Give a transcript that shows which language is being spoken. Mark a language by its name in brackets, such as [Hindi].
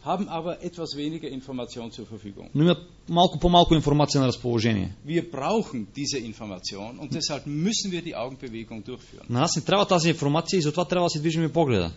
[German] Haben aber etwas weniger Information zur Verfügung. [Bulgarian] Но имат малко по-малко информация на разположение. [German] Wir brauchen diese Information und deshalb müssen wir die Augenbewegung durchführen. [Bulgarian] На нас не трябва тази информация и затова трябва да се движим и погледа.